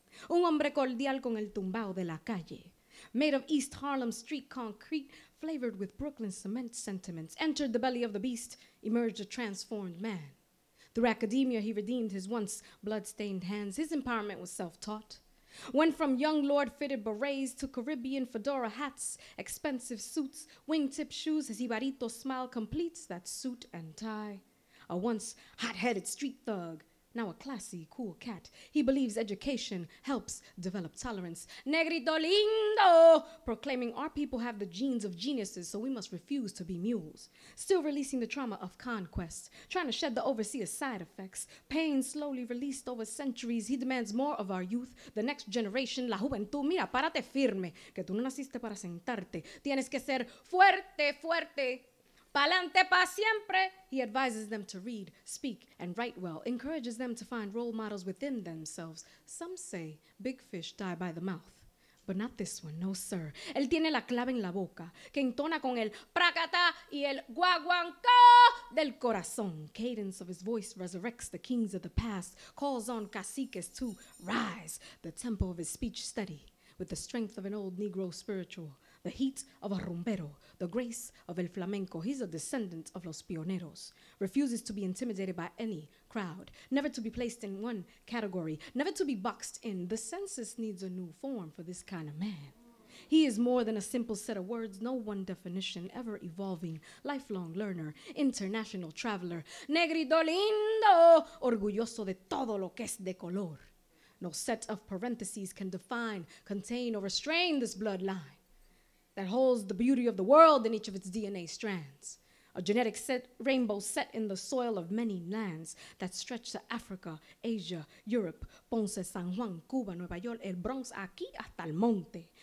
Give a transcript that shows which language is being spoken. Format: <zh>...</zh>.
<es>Un hombre cordial con el tumbao de la calle.</es> <en>Made of East Harlem street concrete, flavored with Brooklyn cement sentiments. Entered the belly of the beast, emerged a transformed man. Through academia, he redeemed his once blood-stained hands. His empowerment was self-taught. Went from young lord fitted berets to Caribbean fedora hats, expensive suits, wingtip shoes, his ibarito smile completes that suit and tie. A once hot-headed street thug, now a classy, cool cat. He believes education helps develop tolerance.</en> <es>Negrito lindo!</es> <en>Proclaiming our people have the genes of geniuses, so we must refuse to be mules. Still releasing the trauma of conquest, trying to shed the overseer's side effects. Pain slowly released over centuries. He demands more of our youth, the next generation.</en> <es>La juventud, mira, párate firme, que tú no naciste para sentarte. Tienes que ser fuerte, fuerte. Palante pa siempre.</es> <en>He advises them to read, speak, and write well, encourages them to find role models within themselves. Some say big fish die by the mouth, but not this one, no sir.</en> <es>Él tiene la clave en la boca, que entona con el pracata y el guaguancó del corazón.</es> <en>Cadence of his voice resurrects the kings of the past, calls on caciques to rise, the tempo of his speech steady, with the strength of an old Negro spiritual, the heat of a rumbero, the grace of el flamenco. He's a descendant of</en> <es>los pioneros.</es> <en>Refuses to be intimidated by any crowd, never to be placed in one category, never to be boxed in. The census needs a new form for this kind of man. He is more than a simple set of words, no one definition, ever evolving, lifelong learner, international traveler.</en> <es>Negrito lindo, orgulloso de todo lo que es de color.</es> <en>No set of parentheses can define, contain, or restrain this bloodline that holds the beauty of the world in each of its DNA strands. A genetic set, rainbow set in the soil of many lands that stretch to Africa, Asia, Europe, Ponce, San Juan, Cuba, Nueva York, El Bronx,</en> <es>aquí hasta el monte.</es>